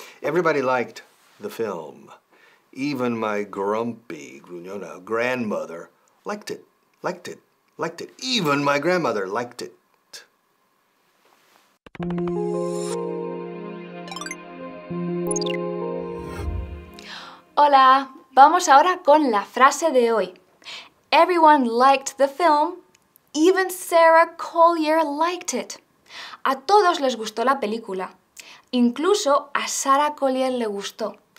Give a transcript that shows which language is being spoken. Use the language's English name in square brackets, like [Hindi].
[English] Everybody liked the film. Even my grumpy, gruñona grandmother liked it. Liked it. Liked it. Even my grandmother liked it. [Spanish] Hola, vamos ahora con la frase de hoy. [English] Everyone liked the film, even Sarah Collier liked it. [Spanish] A todos les gustó la película, incluso a Sarah Collier le gustó.